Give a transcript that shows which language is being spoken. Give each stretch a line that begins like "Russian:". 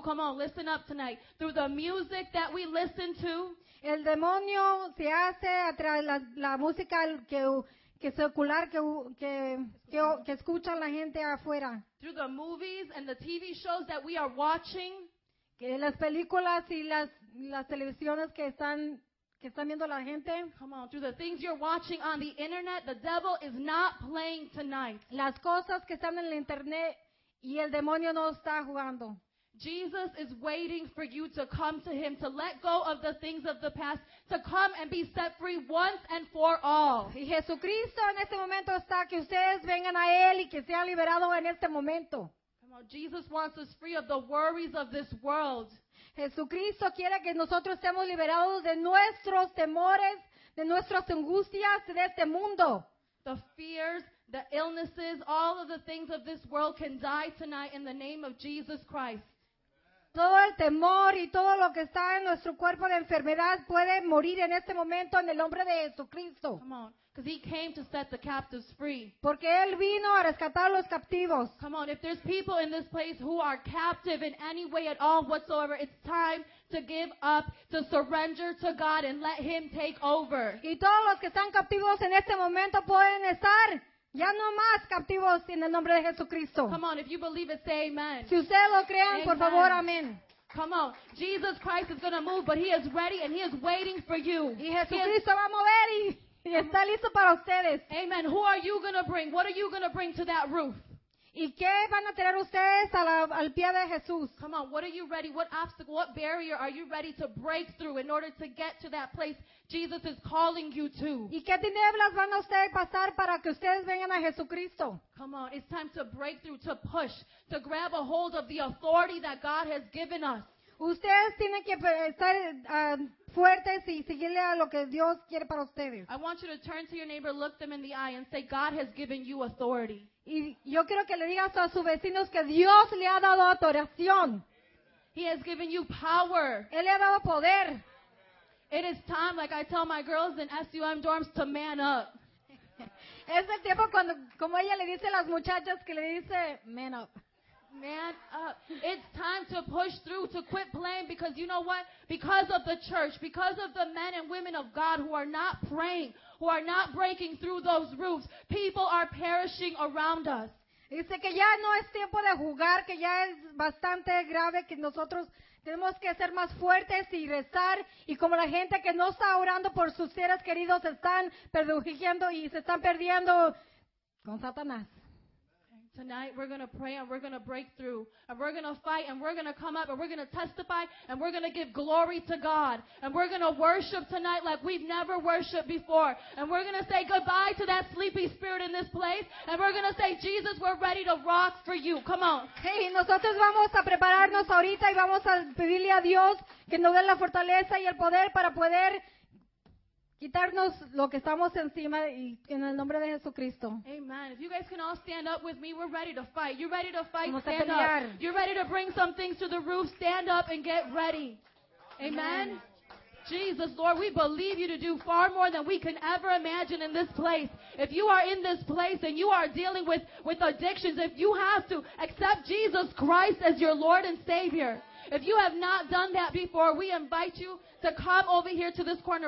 English: Come on, listen up tonight. Through the music that we listen to.
Spanish: El demonio se hace a través de la música que secular que escucha la gente afuera.
English: Through the movies and the TV shows that we are watching.
Spanish: Que las películas y las televisiones que están viendo la gente.
English: Come on, through the things you're watching on the internet, the devil is not playing tonight.
Spanish: Las cosas que están en el internet y el demonio no está jugando.
English: Jesus is waiting for you to come to Him, to let go of the things of the past, to come and be set free once and for all.
Spanish: Y Jesucristo en este momento está que ustedes vengan a Él y que sean liberados en este momento.
English: Come on, Jesus wants us free of the worries of this world.
Spanish: Jesucristo quiere que nosotros seamos liberados de nuestros temores, de nuestras angustias de este mundo.
English: The fears, the illnesses, all of the things of this world can die tonight in the name of Jesus Christ.
Spanish: Todo el temor y todo lo que está en nuestro cuerpo de enfermedad puede morir en este momento en el nombre de Jesucristo.
English: Come on, because He came to set the captives free.
Spanish: Porque Él vino a rescatar a los captivos.
English: Come on, if there's people in this place who are captive in any way at all whatsoever, it's time to give up, to surrender to God and let Him take over.
Spanish: Y todos los que están captivos en este momento pueden estar ya no más captivos en el nombre de Jesucristo.
English: Come on, if you believe it, say amen.
Spanish: Si ustedes lo crean, amen. Por favor, amén.
English: Come on, Jesus Christ is going to move, but He is ready and He is waiting for you.
Spanish: Y Jesucristo va a mover y está listo para ustedes.
English: Amen. Who are you going to bring? What are you going to bring to that roof?
Spanish: ¿Y qué van a tener ustedes al pie de Jesús?
English: Come on, what are you ready? What obstacle, what barrier are you ready to break through in order to get to that place Jesus is calling you to?
Spanish: ¿Y qué tinieblas van a ustedes pasar para que ustedes vengan a Jesucristo?
English: Come on, it's time to break through, to push, to grab a hold of the authority that God has given us.
Spanish: Ustedes tienen que estar fuertes y seguirle a lo que Dios quiere para ustedes.
English: I want you to turn to your neighbor, look them in the eye and say, God has given you authority.
Spanish: Y yo quiero que le digas a sus vecinos que Dios le ha dado autorización.
English: He has given you power.
Spanish: Él le ha dado poder.
English: It is time, like I tell my girls in SUM dorms, to man up.
Spanish: Es el tiempo cuando, como ella le dice a las muchachas, que le dice,
English: man up. Man up. It's time to push through, to quit playing, because you know what? Because of the church, because of the men and women of God who are not praying, who are not breaking through those roofs, people are perishing around us.
Spanish: Dice que ya no es tiempo de jugar, que ya es bastante grave, que nosotros tenemos que ser más fuertes y rezar, y como la gente que no está orando por sus seres queridos están perdiendo y se están perdiendo con Satanás.
English: Tonight we're going to pray and we're going to break through and we're going to fight and we're going to come up and we're going to testify and we're going to give glory to God and we're going to worship tonight like we've never worshiped before and we're going to say goodbye to that sleepy spirit in this place and we're going to say, Jesus, we're ready to rock for you. Come on.
Spanish: Hey, nosotros vamos a prepararnos ahorita y vamos a pedirle a Dios que nos dé la fortaleza y el poder para poder quitarnos lo que estamos encima y en el nombre de Jesucristo. Amen.
English: If you guys can all stand up with me, we're ready to fight. You're ready to fight,
Spanish: vamos
English: stand
Spanish: a pelear.
English: Up. You're ready to bring some things to the roof, stand up and get ready. Amen. Amen. Jesus, Lord, we believe you to do far more than we can ever imagine in this place. If you are in this place and you are dealing with addictions, if you have to accept Jesus Christ as your Lord and Savior, if you have not done that before, we invite you to come over here to this corner.